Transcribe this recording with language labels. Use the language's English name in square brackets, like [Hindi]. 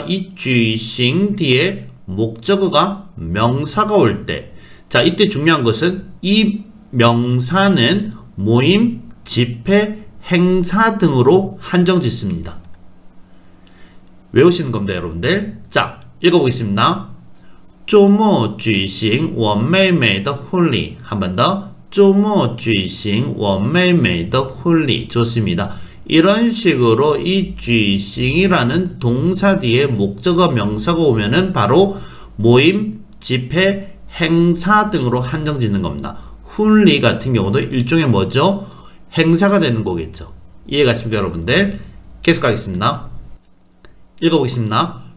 [Korean] 이 쥐싱 뒤에 목적어가 명사가 올 때. 자, 이때 중요한 것은 이 명사는 모임, 집회, 행사 등으로 한정짓습니다. 외우시는 겁니다, 여러분들. 자, 읽어보겠습니다. [Chinese] 周末举行我妹妹的婚礼. [Korean] 한 번 더. [Chinese] 周末举行我妹妹的婚礼. [Korean] 좋습니다. 이런 식으로 이 举行이라는 동사 뒤에 목적어 명사가 오면은 바로 모임, 집회, 행사 등으로 한정 짓는 겁니다. 婚礼 같은 경우도 일종의 뭐죠? 행사가 되는 거겠죠. 이해가십니까, 여러분들? 계속 가겠습니다. 읽어보겠습니다.